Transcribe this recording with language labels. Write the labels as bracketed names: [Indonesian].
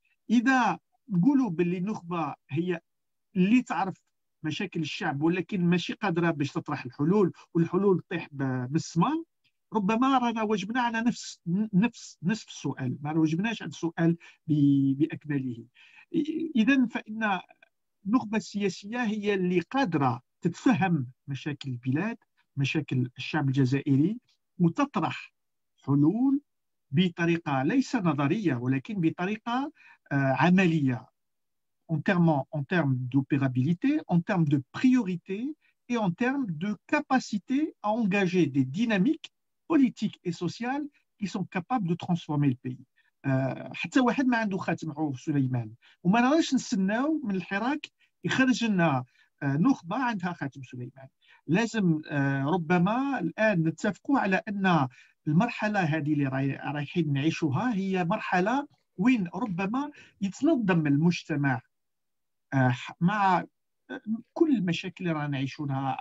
[Arabic] إذا نقولوا باللي النخبة هي اللي تعرف مشاكل الشعب ولكن ماشي قادرة باش تطرح الحلول، والحلول تطيح بالمسمار، ربما رانا وجبنا على نفس السؤال، ما وجبناش على السؤال بأكمله. إذن فإن النخبة السياسية هي اللي قادرة تتفهم مشاكل البلاد، مشاكل الشعب الجزائري، وتطرح حلول بطريقة ليس نظرية ولكن بطريقة عملية [French] en termes d'opérabilité, en termes de priorité et en termes de capacité à engager des dynamiques politiques et sociales qui sont capables de transformer le pays. [Arabic] حتى واحد ما عنده خاتم عوف سليمان وما نعرفش نستناو من الحراك يخرج لنا نخبة عندها خاتم سليمان. لازم ربما الآن نتفقوا على أن المرحلة هذه اللي رايحين نعيشها هي مرحلة وين ربما يتنظم المجتمع مع كل المشاكل اللي رانا عايشونها.